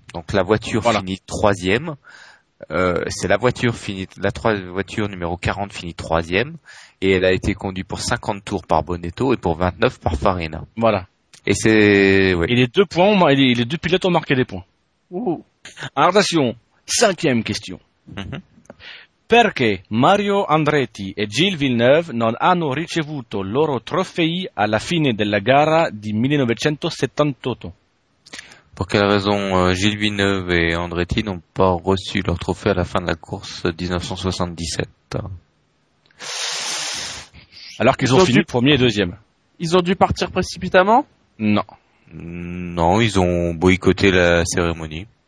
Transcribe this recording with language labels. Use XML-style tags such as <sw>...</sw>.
<fr>Donc, la voiture finit troisième. La voiture numéro 40 finit troisième et elle a été conduite pour 50 tours par Bonetto et pour 29 par Farina. Voilà. Et c'est. Ouais. Et les deux pilotes ont marqué des points. Ouh. Alors attention, cinquième question. Mm-hmm.</fr> <it>Perché Mario Andretti et Gilles Villeneuve non hanno ricevuto loro trofei alla fine della gara di 1978?</it> <fr>Pour quelle raison Gilles Villeneuve et Andretti n'ont pas reçu leur trophée à la fin de la course 1977 alors qu'ils ont fini premier et deuxième? Ils ont dû partir précipitamment? Non. Non, ils ont boycotté la cérémonie?</fr>